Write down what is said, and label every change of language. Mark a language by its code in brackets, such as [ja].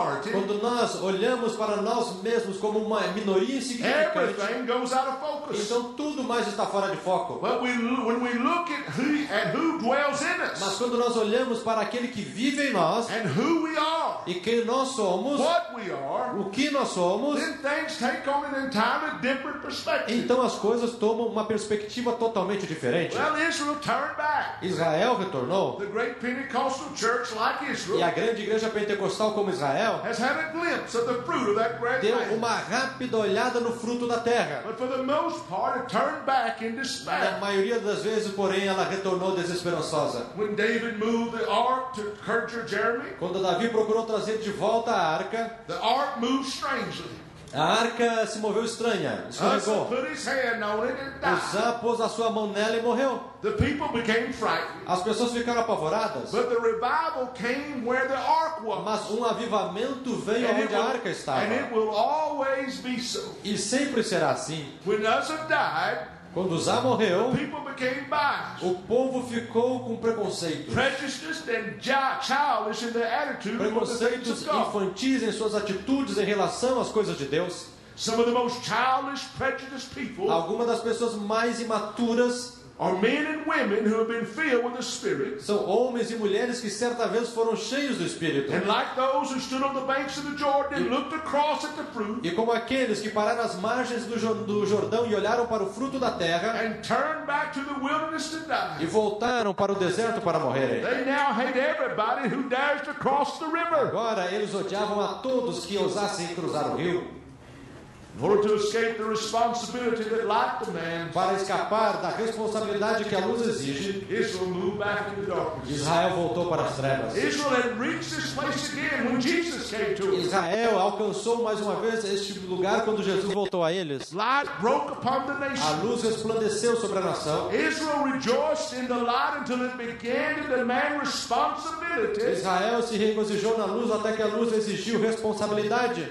[pt] Quando nós olhamos para nós mesmos como uma minoria insignificante, então tudo mais está fora de foco. Mas quando olhamos para [en] dwells in us. [pt] Mas quando nós olhamos para aquele que vive em nós, [en] and who we are, [pt] e quem nós somos, [en] what we are, [pt] o que nós somos, [en] then things take on an entirely different perspective. [pt] Então as coisas tomam uma perspectiva totalmente diferente. [en] Well, Israel turned back. [pt] Israel retornou. [en] The great Pentecostal church like Israel, [pt] e a grande igreja pentecostal como Israel, [en] has had a glimpse of the fruit of that great [pt] deu uma rápida olhada no fruto da terra. [en] But for the most part, it turned back in despair. [pt] Na maioria das vezes, porém, ela retornou desesperada. [en] When David moved the ark to Kirjath Jearim, [pt] quando Davi procurou trazer de volta a arca, [en] the ark moved strangely. [pt] A arca se moveu estranha, escorregou. Uzá pôs a sua mão nela e morreu. [en] The people became frightened. [pt] As pessoas ficaram apavoradas. [en] But the revival came where the ark was. [pt] Mas um avivamento veio [en] and [pt] onde a arca estava. [en] And it will always be so. [pt] E sempre será assim. [en] When Uzá died, [pt] quando Uzá morreu, [en] the people became biased. [pt] O povo ficou com preconceitos. [en] Prejudices and childish in their attitude. [pt] Preconceitos infantis em suas atitudes em relação às coisas de Deus. [en] Some of the most childish, prejudiced people. [pt] Algumas das pessoas mais imaturas. [en] Are men and women who have been filled with the Spirit. [pt] São homens e mulheres que certa vez foram cheios do Espírito. [en] And like those who stood on the banks of the Jordan and looked across at the fruit. [pt] E como aqueles que pararam às margens do Jordão e olharam para o fruto da terra. [en] And turned back to the wilderness to die. [pt] E voltaram para o deserto para morrerem. [en] They now hate everybody who dares to cross the river. [pt] Agora eles odiavam a todos que ousassem cruzar o rio. [en] In order to escape the responsibility that light demands, [pt] para escapar da responsabilidade que a luz exige, [en] Israel moved back to the darkness. [pt] Israel voltou para as trevas. [en] Israel had reached this place again when Jesus came to them. [pt] Israel alcançou mais uma vez este lugar quando Jesus voltou a eles. [en] Light broke upon the nation. [pt] A luz resplandeceu sobre a nação. [en] Israel rejoiced in the light until it began to demand responsibility. [pt] Israel se regozijou na luz até que a luz exigiu responsabilidade.